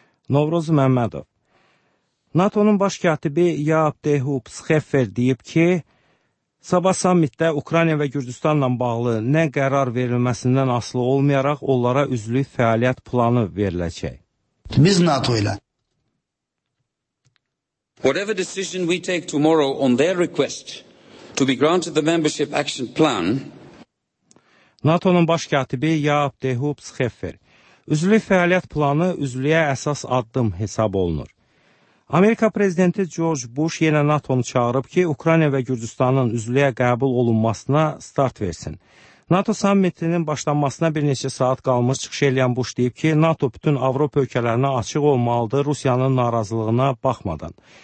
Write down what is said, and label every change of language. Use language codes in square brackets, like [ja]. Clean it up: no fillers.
[az] Novruz Məmmədov. NATO-nun baş katibi Yaap De Hoop Scheffer deyib ki, sabah sammitdə Ukrayna və Gürcüstanla bağlı nə qərar verilməsindən asılı olmayaraq onlara üzvlük fəaliyyət planı veriləcək. Biz NATO ilə. [en] Whatever decision we take tomorrow on their request to be granted the membership action plan. [az] NATO-nun baş katibi Yaap De Hoop Scheffer. Üzvlük fəaliyyət planı üzvlüyə əsas addım hesab olunur. Amerika Prezidenti George Bush yenə NATO-nu çağırıb ki, Ukrayna və Gürcüstanın üzvlüyə qəbul olunmasına start versin. NATO sammitinin başlanmasına bir neçə saat qalmış çıxış eləyən Bush deyib ki, NATO bütün Avropa ölkələrinə açıq olmalıdır Rusiyanın narazılığına baxmadan.